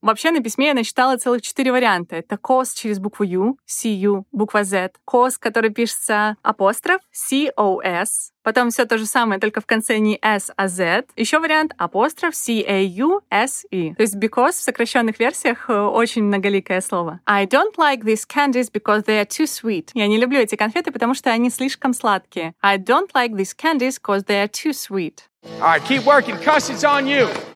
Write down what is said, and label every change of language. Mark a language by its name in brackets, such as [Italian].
[Russian] Вообще, на письме я насчитала целых 4 варианта. Это cause через букву U, C-U, буква Z. Cause, который пишется апостроф, C-O-S. Потом все то же самое, только в конце не S, а Z. Еще вариант апостроф, C-A-U-S-E. То есть because в сокращенных версиях очень многоликое слово. [English] I don't like these candies because they are too sweet. [Russian] Я не люблю эти конфеты, потому что они слишком сладкие. [English] I don't like these candies because they are too sweet. All right, keep working. Cuss is on you.